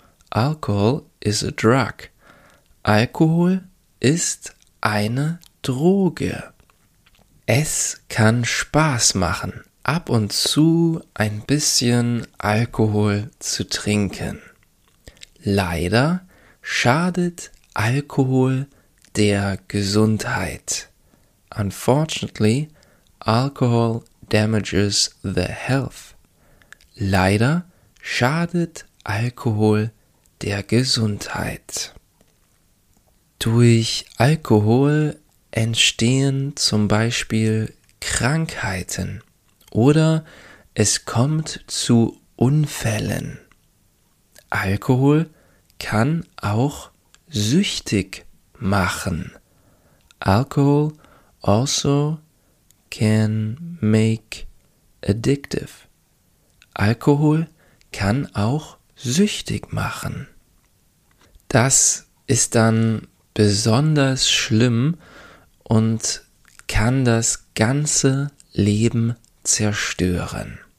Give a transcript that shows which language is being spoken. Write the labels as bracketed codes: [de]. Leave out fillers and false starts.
[en] Alcohol is a drug. [de] Alkohol ist eine Droge. Es kann Spaß machen, ab und zu ein bisschen Alkohol zu trinken. Leider schadet Alkohol der Gesundheit. [en] Unfortunately, alcohol damages the health. [de] Leider schadet Alkohol der Gesundheit. Durch Alkohol entstehen zum Beispiel Krankheiten oder es kommt zu Unfällen. Alkohol kann auch süchtig machen. [en] Alcohol also can make addictive. [de] Alkohol kann auch süchtig machen. Das ist dann besonders schlimm und kann das ganze Leben zerstören.